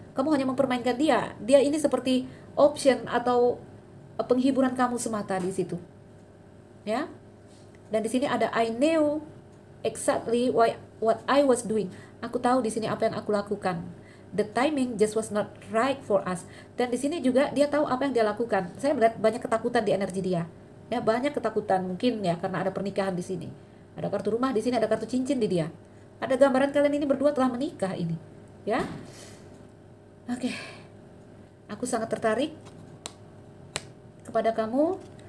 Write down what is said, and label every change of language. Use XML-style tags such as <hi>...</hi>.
<id>Kamu hanya mempermainkan dia. Dia ini seperti option atau penghiburan kamu semata di situ. Ya. Dan di sini ada</id> <en>I knew exactly why, what I was doing.</en> <id>Aku tahu di sini apa yang aku lakukan.</id> <en>The timing just was not right for us.</en> <id>Dan di sini juga dia tahu apa yang dia lakukan. Saya melihat banyak ketakutan di energi dia. Ya, banyak ketakutan mungkin ya karena ada pernikahan di sini. Ada kartu rumah di sini, ada kartu cincin di dia. Ada gambaran kalian ini berdua telah menikah ini. Ya. Oke. Aku sangat tertarik kepada kamu.</id>